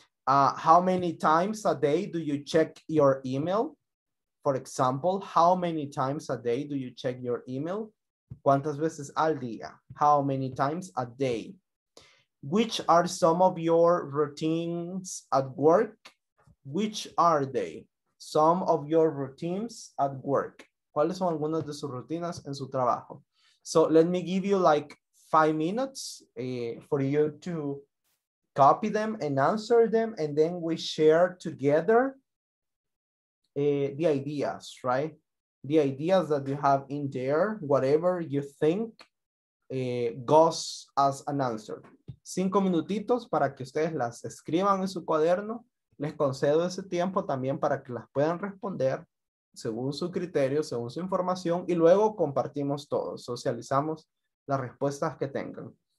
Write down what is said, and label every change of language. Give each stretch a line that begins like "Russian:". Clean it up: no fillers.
English: How many times a day do you check your email? For example, how many times a day do you check your email?
Spanish: ¿Cuántas veces al día?
English: How many times a day? Which are some of your routines at work? Which are they? Some of your routines at work.
Spanish: ¿Cuáles son algunas de sus rutinas en su trabajo?
English: So let me give you like 5 minutes for you to copy them and answer them, and then we share together the ideas, right? The ideas that you have in there, whatever you think goes as an answer.
Spanish: 5 minutitos para que ustedes las escriban en su cuaderno. Les concedo ese tiempo también para que las puedan responder según su criterio, según su información, y luego compartimos todos, socializamos las respuestas que tengan.